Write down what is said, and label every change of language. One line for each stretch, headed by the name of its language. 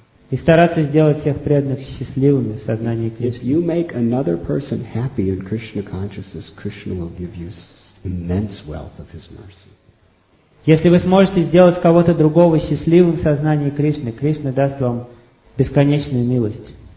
Russian: И стараться сделать всех преданных счастливыми в сознании Кришны.
English: If you make another person happy in Krishna consciousness, Krishna will give you immense wealth of His mercy.
Russian: Если вы сможете сделать кого-то другого счастливым в сознании Кришны, Кришна даст вам бесконечную милость.